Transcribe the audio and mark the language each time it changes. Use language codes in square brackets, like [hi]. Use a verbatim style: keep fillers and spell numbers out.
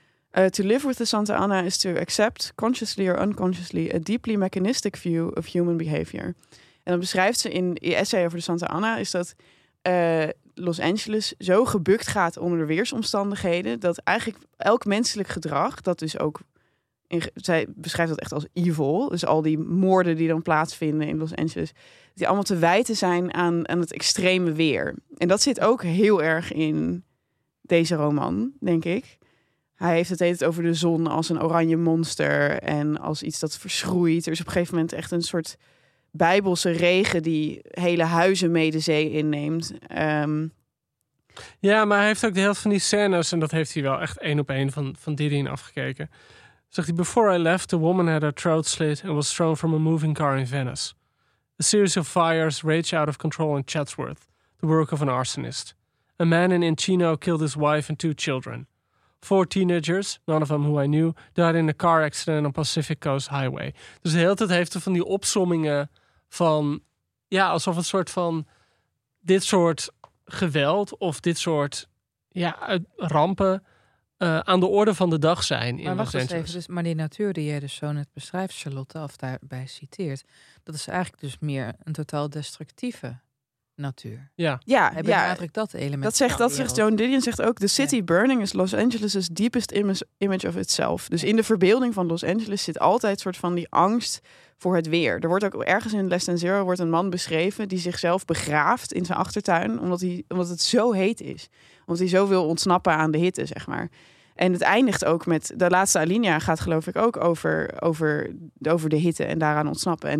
[en] Eh, to live with the Santa Ana is to accept, consciously or unconsciously, a deeply mechanistic view of human behavior. [nl] En dan beschrijft ze in je essay over de Santa Ana, is dat eh, Los Angeles zo gebukt gaat onder de weersomstandigheden, dat eigenlijk elk menselijk gedrag, dat dus ook in ge- zij beschrijft dat echt als evil. Dus al die moorden die dan plaatsvinden in Los Angeles. Die allemaal te wijten zijn aan, aan het extreme weer. En dat zit ook heel erg in deze roman, denk ik. Hij heeft het de hele tijd over de zon als een oranje monster. En als iets dat verschroeit. Er is op een gegeven moment echt een soort bijbelse regen... die hele huizen mee de zee inneemt. Ehm, Ja, maar hij heeft ook de helft van die scènes... en dat heeft hij wel echt één op één van, van Didion afgekeken. Zegt hij, [en] before I left, the woman had her throat slit... and was thrown from a moving car in Venice. A series of fires raged out of control in Chatsworth... the work of an arsonist. A man in Encino killed his wife and two children. Four teenagers, none of them who I knew... died in a car accident on Pacific Coast Highway. [nl] Dus de hele tijd heeft hij van die opsommingen van... ja, alsof het soort van... dit soort geweld of dit soort ja, uit- rampen uh, aan de orde van de dag zijn in maar Los wacht Angeles. Even, dus, maar die natuur die jij dus zo net beschrijft, Charlotte, of daarbij citeert, dat is eigenlijk dus meer een totaal destructieve natuur. Ja, ja, hij ja. benadrukt dat element. Dat zegt, dat zegt Joan Didion zegt ook, [en] the city [nl] ja. [en] burning is Los Angeles' deepest image of itself. [nl] Dus in de verbeelding van Los Angeles zit altijd soort van die angst voor het weer. Er wordt ook ergens in Less Than Zero wordt een man beschreven die zichzelf begraaft in zijn achtertuin, omdat, hij, omdat het zo heet is. Omdat hij zo wil ontsnappen aan de hitte, zeg maar. En het eindigt ook met, de laatste alinea gaat geloof ik ook over, over, over de hitte en daaraan ontsnappen.